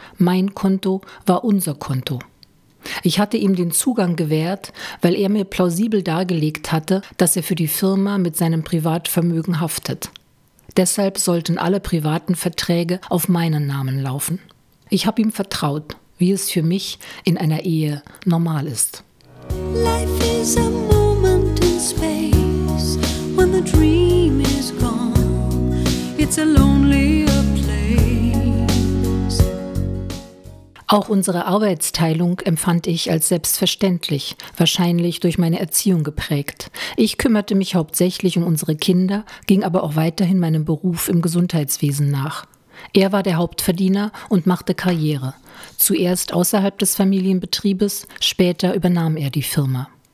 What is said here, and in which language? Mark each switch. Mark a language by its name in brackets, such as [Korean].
[German] Mein Konto war unser Konto. Ich hatte ihm den Zugang gewährt, weil er mir plausibel dargelegt hatte, dass er für die Firma mit seinem Privatvermögen haftet. Deshalb sollten alle privaten Verträge auf meinen Namen laufen. Ich habe ihm vertraut, wie es für mich in einer Ehe normal ist. [English] Life is a moment in space, when the dream is gone, it's a lonelier place. [German] Auch unsere Arbeitsteilung empfand ich als selbstverständlich, wahrscheinlich durch meine Erziehung geprägt. Ich kümmerte mich hauptsächlich um unsere Kinder, ging aber auch weiterhin meinem Beruf im Gesundheitswesen nach. Er war der Hauptverdiener und machte Karriere. Zuerst außerhalb des Familienbetriebes, später übernahm er die Firma.